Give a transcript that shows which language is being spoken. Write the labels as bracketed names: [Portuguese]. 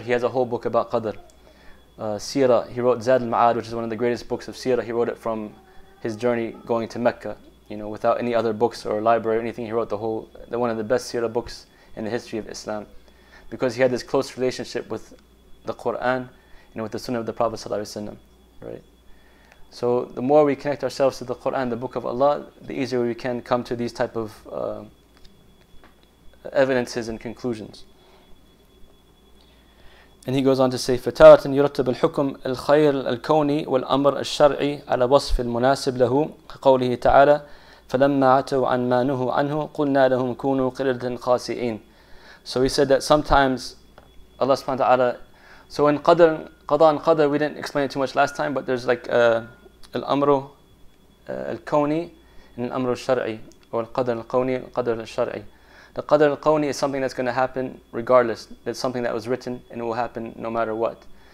[English] He has a whole book about Qadr. Sira, he wrote Zad al-Ma'ad, which is one of the greatest books of Sira. He wrote it from his journey going to Mecca, you know, without any other books or library or anything. He wrote one of the best Sira books in the history of Islam, because he had this close relationship with the Quran and with the Sunnah of the Prophet sallallahu alaihi wasallam, right? So the more we connect ourselves to the Quran, the Book of Allah, the easier we can come to these type of evidences and conclusions. And he goes on to say, [Arabic] فَتَارَةً يُرَتَّبُ الْحُكُمُ الْخَيْرُ الْكَوْنِي وَالْأَمْرُ الشَّرْعِي عَلَى وَصْفِ الْمُنَاسِبِ لَهُ كَقَوْلِهِ تَعَالَى فَلَمَّا عَتَوْا عَنْ مَا نُهُوا عَنْهُ قُلْنَا لَهُمْ كُونُوا قِرَدَةً خَاسِئِينَ. [English] So he said that sometimes Allah subhanahu wa ta'ala, so in Qadr, Qadr and Qadr, we didn't explain it too much last time, but there's like Al-Amru Al-Kawni and Al-Amru Al-Shar'i, or Al-Qadr Al-Kawni and Al-Qadr Al-Shar'i. The Qadr Al-Kawni is something that's going to happen regardless. It's something that was written and it will happen no matter what.